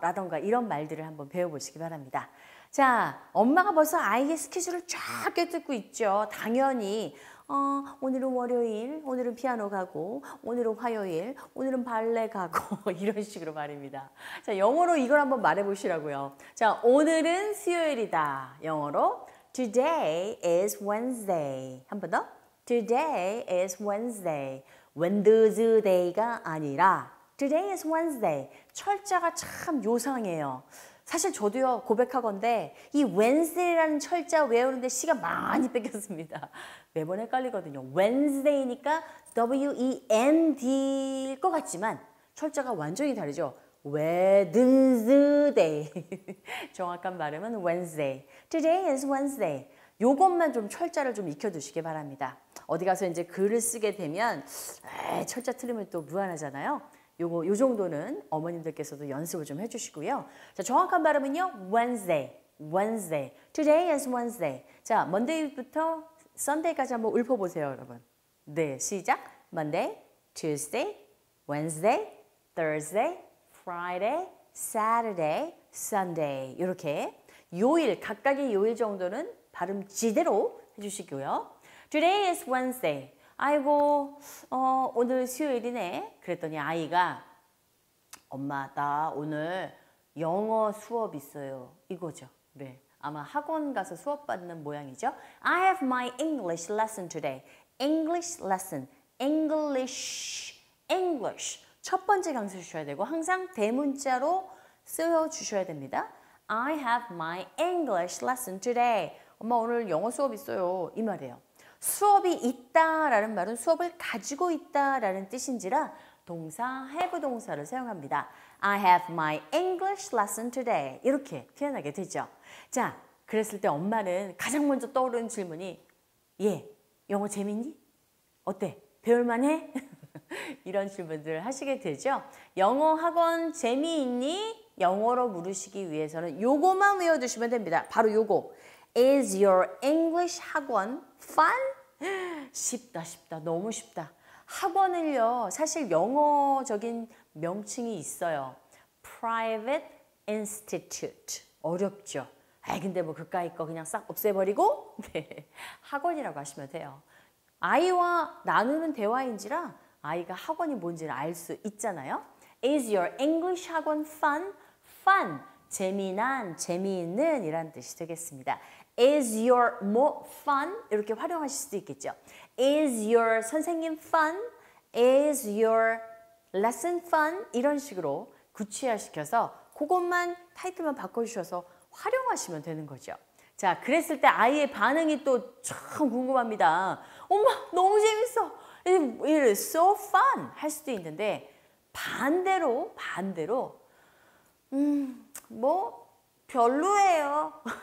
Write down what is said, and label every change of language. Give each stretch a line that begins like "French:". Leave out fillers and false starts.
Korean: 라던가 이런 말들을 한번 배워보시기 바랍니다. 자, 엄마가 벌써 아이의 스케줄을 쫙 깨뜨고 있죠. 당연히, 오늘은 월요일, 오늘은 피아노 가고, 오늘은 화요일, 오늘은 발레 가고, 이런 식으로 말입니다. 자, 영어로 이걸 한번 말해보시라고요. 자, 오늘은 수요일이다. 영어로,
English: Today is Wednesday.
Korean: 한번 더.
English: Today is Wednesday. When does day가 아니라 today is Wednesday.
Korean: 철자가 참 요상해요. 사실 저도요 고백하건대 이 Wednesday라는 철자 외우는데 시간 많이 뺏겼습니다. 매번 헷갈리거든요. Wednesday니까 W-E-N-D일 것 같지만 철자가 완전히 다르죠. Wednesday. 정확한 발음은 Wednesday.
English: Today is Wednesday.
Korean: 요것만 좀 철자를 좀 익혀두시기 바랍니다. 어디 가서 이제 글을 쓰게 되면 철자 틀리면 또 무안하잖아요. 요거 요 정도는 어머님들께서도 연습을 좀 해주시고요. 자, 정확한 발음은요,
English: Wednesday, Wednesday, Today is Wednesday.
Korean: 자, Monday부터 Sunday까지 한번 읊어보세요, 여러분. 네, 시작.
English: Monday, Tuesday, Wednesday, Thursday, Friday, Saturday, Sunday.
Korean: 이렇게 요일 각각의 요일 정도는 발음 제대로 해주시고요.
English: Today is Wednesday.
Korean: 아이고, 오늘 수요일이네. 그랬더니 아이가, 엄마, 나 오늘 영어 수업 있어요. 이거죠. 네. 아마 학원 가서 수업 받는 모양이죠.
English: I have my English lesson today. English lesson. English. English.
Korean: 첫 번째 강수 주셔야 되고, 항상 대문자로 쓰여 주셔야 됩니다. I have my English lesson today. 엄마 오늘 영어 수업 있어요. 이 말이에요. 수업이 있다라는 말은 수업을 가지고 있다라는 뜻인지라 동사 have 동사를 사용합니다.
English: I have my English lesson today.
Korean: 이렇게 표현하게 되죠. 자, 그랬을 때 엄마는 가장 먼저 떠오르는 질문이 예, 영어 재밌니? 어때? 배울 만해? 이런 질문들을 하시게 되죠. 영어 학원 재미있니? 영어로 물으시기 위해서는 요거만 외워두시면 됩니다. 바로 요거.
English: Is your English 학원 fun?
Korean: 쉽다, 쉽다, 너무 쉽다. 학원을요, 사실 영어적인 명칭이 있어요. Private Institute. 어렵죠? 에이, 근데 뭐 그까이 거 그냥 싹 없애버리고, 네. 학원이라고 하시면 돼요. 아이와 나누는 대화인지라 아이가 학원이 뭔지를 알수 있잖아요.
English: Is your English 학원 fun? Fun.
Korean: 재미난, 재미있는 이란 뜻이 되겠습니다.
English: Is your 뭐 fun?
Korean: 이렇게 활용하실 수도 있겠죠.
English: Is your 선생님 fun? Is your lesson fun?
Korean: 이런 식으로 구체화시켜서 그것만 타이틀만 바꿔주셔서 활용하시면 되는 거죠. 자, 그랬을 때 아이의 반응이 또참 궁금합니다. 엄마, 너무 재밌어.
English: It is so fun.
Korean: 할 수도 있는데 반대로, 반대로, 뭐, 별로예요.